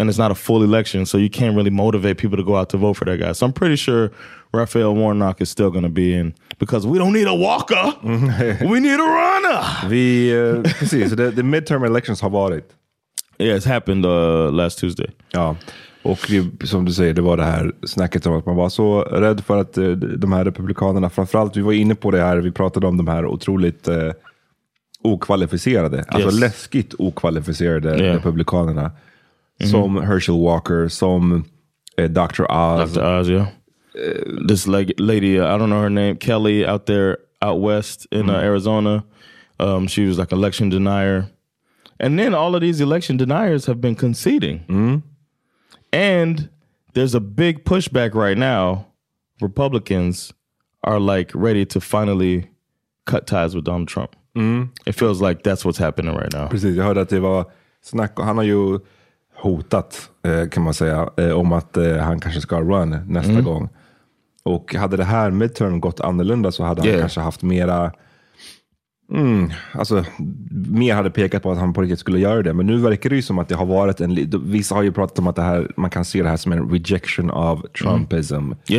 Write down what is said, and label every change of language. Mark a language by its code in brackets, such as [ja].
[en] And it's not a full election, so you can't really motivate people to go out to vote for that guy. So I'm pretty sure Raphael Warnock is still going to be in because we don't need a walker. We need a runner. The midterm elections, how about it? Yeah, it's happened last Tuesday. [sv] Ja, och det, som du säger, det var det här snacket om att man var så rädd för att de här republikanerna, framförallt, vi var inne på det här, vi pratade om de här otroligt okvalificerade, yes, alltså läskigt okvalificerade republikanerna som Herschel Walker, som Dr. Oz, [en] yeah. This lady, I don't know her name, Kelly out there out west in Arizona, she was like election denier, and then all of these election deniers have been conceding, and there's a big pushback right now. Republicans are like ready to finally cut ties with Donald Trump. Mm. It feels like that's what's happening right now. [sv] Precis, jag hörde att det var snack, han har ju hotat kan man säga om att han kanske ska run nästa gång. Och hade det här midterm gått annorlunda så hade han kanske haft mera alltså mer hade pekat på att han på riktigt skulle göra det, men nu verkar det ju som att det har varit en, vissa har ju pratat om att det här, man kan se det här som en rejection av Trumpism.